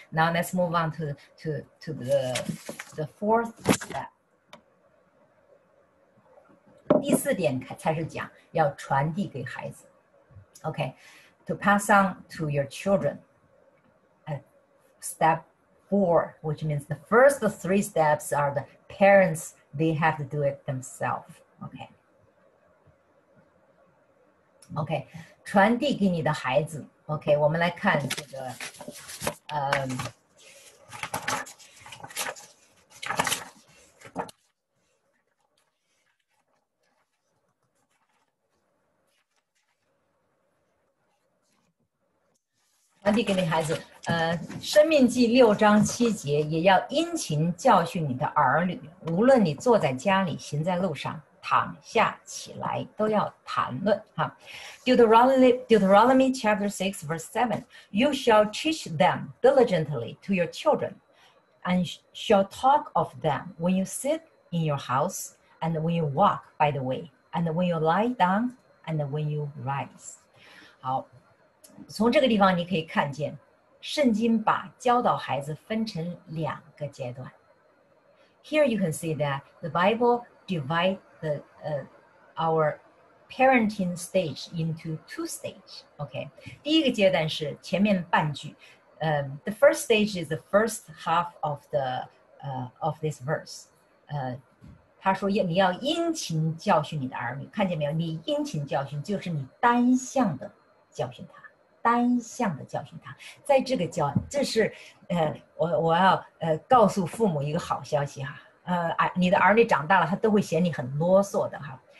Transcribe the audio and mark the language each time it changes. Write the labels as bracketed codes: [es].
[en] Now let's move on to the fourth step. [zh] 第四点才是讲要传递给孩子. [en] Okay, to pass on to your children. Step four, which means the first three steps are the parents, they have to do it themselves. Okay. [zh] Okay, 传递给你的孩子.OK, 我们来看这个。传递给你孩子，生命记六章七节，也要殷勤教训你的儿女，无论你坐在家里，行在路上，躺下起来，都要谈论。 [en] 哈 Deuteronomy chapter 6 verse 7, you shall teach them diligently to your children, and shall talk of them when you sit in your house, and when you walk by the way, and when you lie down, and when you rise. [zh] 好，从这个地方你可以看见，圣经把教导孩子分成两个阶段。 [en] Here you can see that the Bible divides the our parenting stage into two stages. [zh] Okay, 第一个阶段是前面半句。 [en] The first stage is the first half of the of this verse. [zh] 他说你要殷勤教训你的儿女，看见没有？你殷勤教训就是你单向的教训他。单向的教训他，在这个教，这是，我要告诉父母一个好消息哈，你的儿女长大了，他都会嫌你很啰嗦的哈。